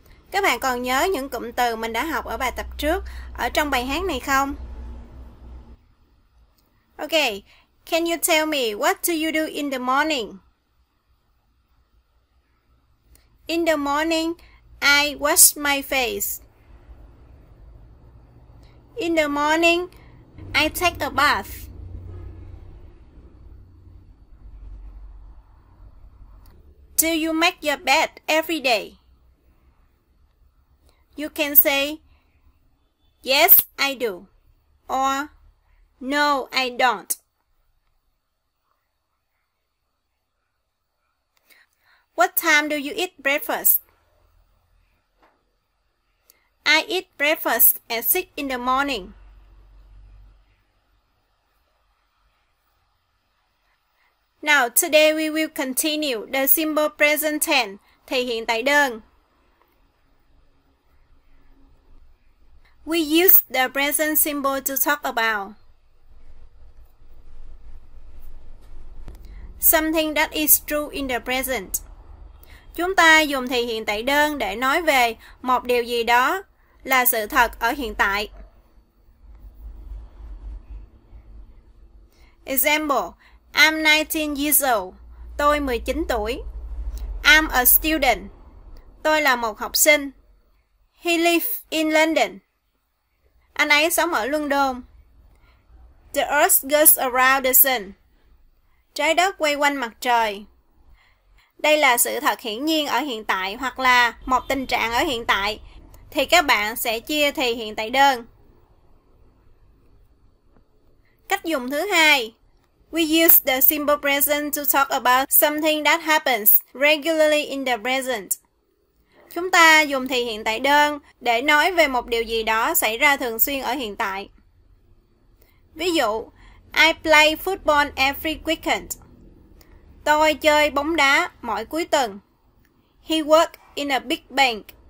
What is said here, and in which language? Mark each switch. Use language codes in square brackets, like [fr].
[vi] Các bạn còn nhớ những cụm từ mình đã học ở bài tập trước ở trong bài hát này không? [en] Okay, can you tell me what do you do in the morning? In the morning, I wash my face. In the morning, I take a bath. Do you make your bed every day? You can say, yes, I do, or no, I don't. What time do you eat breakfast? I eat breakfast at 6 in the morning. Now, today we will continue the simple present tense, [vi] thể hiện tại đơn. [en] We use the present symbol to talk about something that is true in the present. [vi] Chúng ta dùng thể hiện tại đơn để nói về một điều gì đó là sự thật ở hiện tại. [en] Example, I'm 19 years old. [vi] Tôi 19 tuổi. [en] I'm a student. [vi] Tôi là một học sinh. [en] He lives in London. [vi] Anh ấy sống ở London. [en] The earth goes around the sun. [vi] Trái đất quay quanh mặt trời. Đây là sự thật hiển nhiên ở hiện tại hoặc là một tình trạng ở hiện tại. Thì các bạn sẽ chia thể hiện tại đơn. Cách dùng thứ hai. [en] We use the simple present to talk about something that happens regularly in the present. [vi] Chúng ta dùng thể hiện tại đơn để nói về một điều gì đó xảy ra thường xuyên ở hiện tại. Ví dụ, [en] I play football every weekend. [vi] Tôi chơi bóng đá mỗi cuối tuần. [en] He works in a big bank.